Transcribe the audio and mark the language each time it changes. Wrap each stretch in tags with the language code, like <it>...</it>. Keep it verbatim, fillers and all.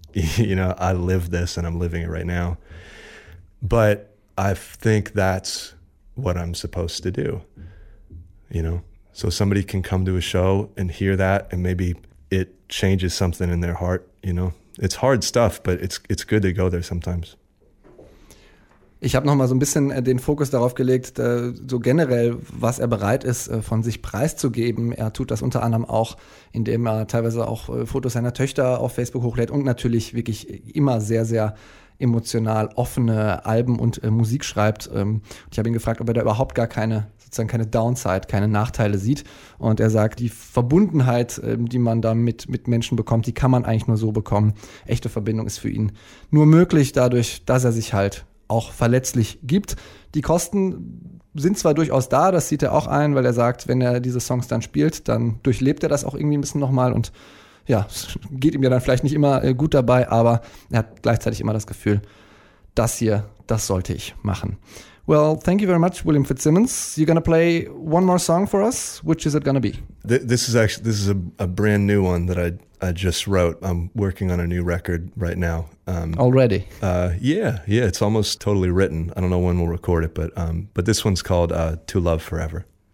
<en>You know, I live this and I'm living it right now. But I think that's what I'm supposed to do, you know? So somebody can come to a show and hear that and maybe it changes something in their heart, you know? It's hard stuff, but it's it's good to go there sometimes.</en> <de>Ich habe nochmal so ein bisschen den Fokus darauf gelegt, so generell, was er bereit ist, von sich preiszugeben. Er tut das unter anderem auch, indem er teilweise auch Fotos seiner Töchter auf Facebook hochlädt und natürlich wirklich immer sehr, sehr emotional offene Alben und äh, Musik schreibt. Ähm, ich habe ihn gefragt, ob er da überhaupt gar keine, sozusagen keine Downside, keine Nachteile sieht. Und er sagt, die Verbundenheit, ähm, die man da mit, mit Menschen bekommt, die kann man eigentlich nur so bekommen. Echte Verbindung ist für ihn nur möglich, dadurch, dass er sich halt auch verletzlich gibt. Die Kosten sind zwar durchaus da, das sieht er auch ein, weil er sagt, wenn er diese Songs dann spielt, dann durchlebt er das auch irgendwie ein bisschen nochmal und ja, es geht ihm ja dann vielleicht nicht immer äh, gut dabei, aber er hat gleichzeitig immer das Gefühl, das hier, das sollte ich machen.</de> <en>Well, thank you very much, William Fitzsimmons. You're gonna play one more song for us. Which is it gonna be? Th- this is actually this is a, a brand new one that I I just wrote. I'm working on a new record right now. Um, Already? Uh, yeah, yeah. It's almost totally written. I don't know when we'll record it, but um, but this one's called uh, "To Love Forever."</en>